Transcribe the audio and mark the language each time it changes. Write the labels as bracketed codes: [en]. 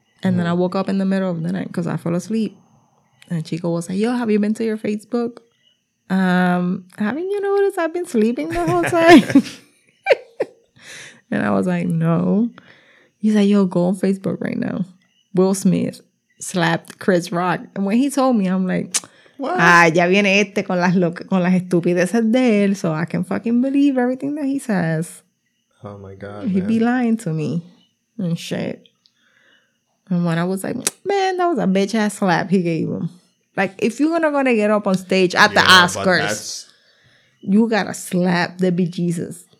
[en] And then I woke up in the middle of the night because I fell asleep. And Chico was like, yo, have you been to your Facebook? Haven't you noticed I've been sleeping the whole time? And I was like, no. He's like, yo, go on Facebook right now. Will Smith slapped Chris Rock. And when he told me, I'm like, what? [es] Ah, ya viene este con las estupideces de él. [en] So I can fucking believe everything that he says. Oh my God, he'd man. Be lying to me and shit. And when I was like, man, that was a bitch ass slap he gave him. Like, if you're gonna get up on stage at the Oscars, you gotta slap the bejesus.